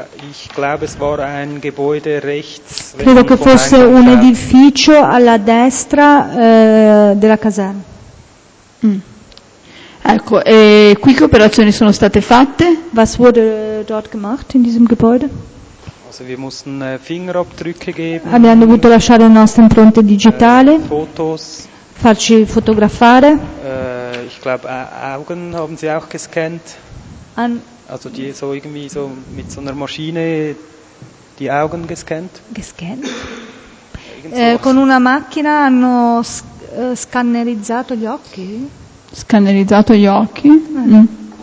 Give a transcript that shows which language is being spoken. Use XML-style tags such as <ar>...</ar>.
<de>Ich glaube, es war ein Gebäude rechts.</de> <it>Credo che fosse un edificio alla destra della caserma. Ecco, e qui che operazioni sono state fatte?</it> <de>Was wurde dort gemacht in diesem Gebäude? Also wir mussten Fingerabdrücke geben.</de> <it>Abbiamo dovuto lasciare la nostra impronta digitale.</it> <de>Fotos.</de> <it>Farci fotografare.</it> <de>Ich glaube, Augen haben sie auch gescannt. Also die so irgendwie so mit so einer Maschine die Augen gescannt. Gescannt.</de> <it>Con una macchina hanno scannerizzato gli occhi. Scannerizzato gli occhi.</it>